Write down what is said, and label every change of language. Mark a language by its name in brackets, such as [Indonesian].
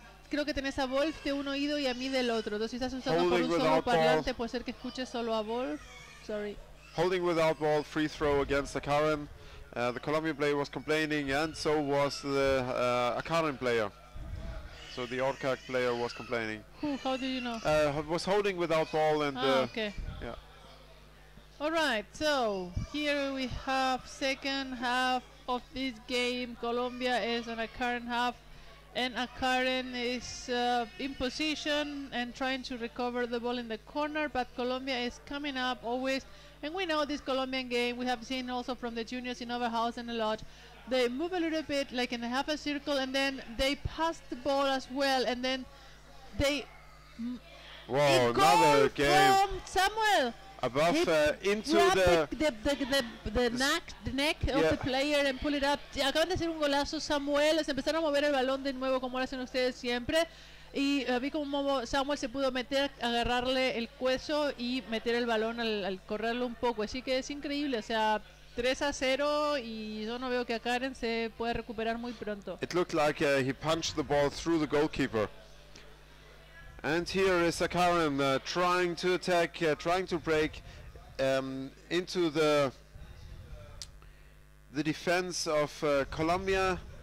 [Spanish] Creo que tenés a Wolf de un oído y a mí del otro. Entonces, si estás usando [English] holding [Spanish] por un solo parlante, puede ser que escuches solo a Wolf. [English] Sorry. Holding without ball, free throw against Akaren. The Colombian player was complaining, and so was the Akaren player. So the Orca player was complaining. Who? How do you know? Was holding without ball and. Okay. Yeah. All right. So here we have second half of this game. Colombia is on a current half, and Akaren is in position and trying to recover the ball in the corner. But Colombia is coming up always, and we know this Colombian game. We have seen also from the juniors in Oberhausen a lot. They move a little bit, like in a half a circle, and then they pass the ball as well, and then they... Whoa, another game. From Samuel. Above, into the neck of the player and pull it up. [Spanish] Acaban de hacer un golazo, Samuel. Se empezaron a mover el balón de nuevo, como lo hacen ustedes siempre. Y vi como Samuel se pudo meter, agarrarle el cuello y meter el balón al correrlo un poco. Así que es increíble, o sea... 3-0, y yo no veo que Akaren se pueda recuperar muy pronto. [English] It looked like he punched the ball through the goalkeeper. And here is Akaren trying to attack, trying to break into the defense of Colombia.